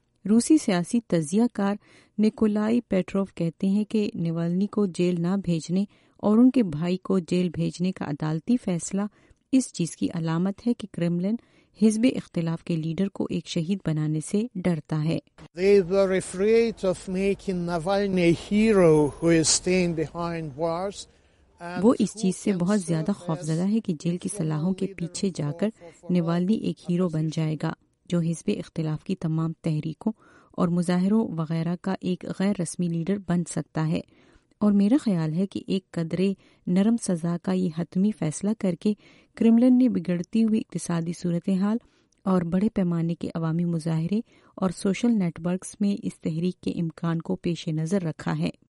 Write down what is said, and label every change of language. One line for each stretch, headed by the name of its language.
Urdu: روسی سیاسی تجزیہ کار نکولائی پیٹروف کہتے ہیں کہ نیوالنی کو جیل نہ بھیجنے اور ان کے بھائی کو جیل بھیجنے کا عدالتی فیصلہ اس چیز کی علامت ہے کہ کرملن حزب اختلاف کے لیڈر کو ایک شہید بنانے سے ڈرتا ہے۔
English: They were afraid of making Navalny a hero who is staying behind bars.
Urdu: وہ اس چیز سے بہت زیادہ خوفزدہ ہے کہ جیل کی سلاحوں کے پیچھے جا کر نیوالنی ایک ہیرو بن جائے گا جو حزب اختلاف کی تمام تحریکوں اور مظاہروں وغیرہ کا ایک غیر رسمی لیڈر بن سکتا ہے، اور میرا خیال ہے کہ ایک قدرے نرم سزا کا یہ حتمی فیصلہ کر کے کرملن نے بگڑتی ہوئی اقتصادی صورتحال اور بڑے پیمانے کے عوامی مظاہرے اور سوشل نیٹ ورکس میں اس تحریک کے امکان کو پیش نظر رکھا ہے۔